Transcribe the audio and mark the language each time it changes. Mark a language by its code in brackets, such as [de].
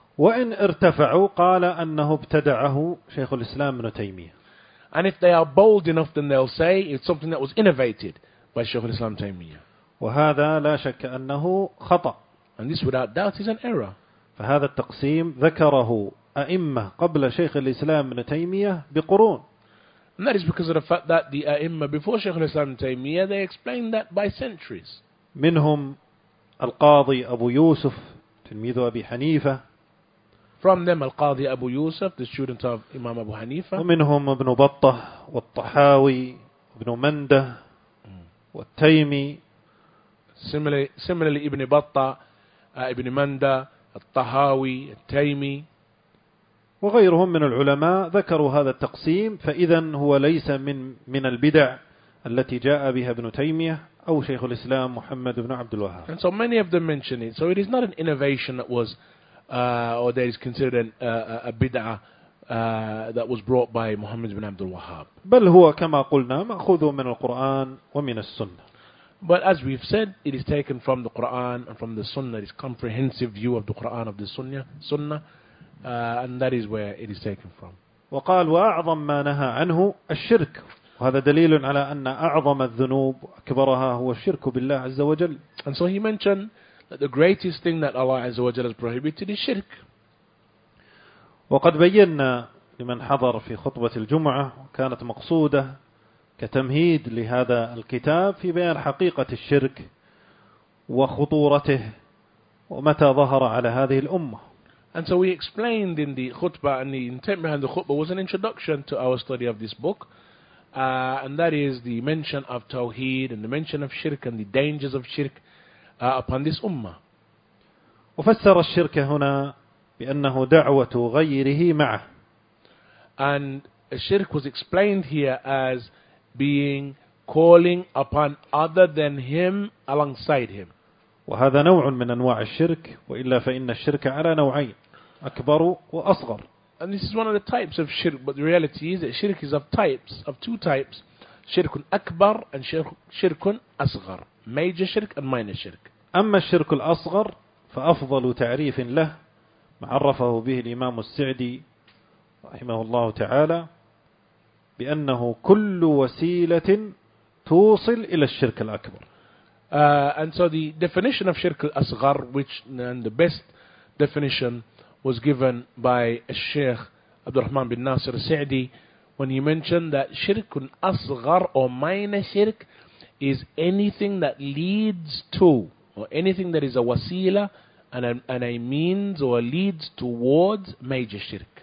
[ar] وإن ارتفعوا قال أنه ابتدعه شيخ الإسلام ابن تيمية. [en] And if they are bold enough, then they'll say it's something that was innovated by Sheikh Islam Taymiyyah. [ar] وهذا لا شك أنه خطأ. [en] And this without doubt is an error. [ar] فهذا التقسيم ذكره أئمة قبل شيخ الإسلام ابن تيمية بقرون. [en] And that is because of the fact that the A'imma before Shaykh al-Islam ibn Taymiyyah, they explained that by centuries. [ar] منهم القاضي أبو يوسف تلميذ أبي حنيفة. [en] From them القاضي أبو يوسف, the student of Imam Abu Hanifa. [ar] ومنهم ابن بطة والطحاوي ابن مندة والتيمي. [en] Similarly ابن بطة, ابن مندة, الطحاوي, التيمي. [ar] وغيرهم من العلماء ذكروا هذا التقسيم, فإذا هو ليس من البدع التي جاء بها ابن تيمية أو شيخ الإسلام محمد بن عبد الوهاب. [en] And so many of them mention it. So it is not an innovation that was or that is considered a bid'ah that was brought by Muhammad bin Abdul Wahhab. [ar] بل هو كما قلنا مأخوذ من القرآن ومن السنة. [en] But as we've said, it is taken from the Quran and from the Sunnah. This comprehensive view of the Quran, of the Sunnah. And that is where it is taken from. [ar] وقال وأعظم ما نهى عنه الشرك, وهذا دليل على أن أعظم الذنوب كبرها هو الشرك بالله عز وجل. [en] And so he mentioned that the greatest thing that Allah [ar] عز وجل [en] has prohibited is shirk. [ar] وقد بينا لمن حضر في خطبة الجمعة كانت مقصودة كتمهيد لهذا الكتاب في بيان حقيقة الشرك وخطورته ومتى ظهر على هذه الأمة. [en] And so we explained in the khutbah, and the intent behind the khutbah was an introduction to our study of this book. And that is the mention of Tawheed and the mention of shirk and the dangers of shirk upon this ummah. [ar] وفسر الشرك هنا بأنه دعوة غيره معه. [en] And shirk was explained here as being calling upon other than him alongside him. [ar] وهذا نوع من أنواع الشرك, وإلا فإن الشرك على نوعين أكبر وأصغر. [en] And this is one of the types of shirk, but the reality is that shirk is of types, of two types, shirk akbar and shirk asghar, major shirk and minor shirk. [ar] أما الشرك الأصغر فأفضل تعريف له ما عرفه به الإمام السعدي رحمه الله تعالى بأنه كل وسيلة توصل إلى الشرك الأكبر. [en] And so the definition of shirk al-asghar, which and the best definition was given by Sheikh Abdul Rahman bin Nasir Sa'di, when he mentioned that shirk al-asghar or minor shirk is anything that leads to, or anything that is a wasila and a means or leads towards major shirk.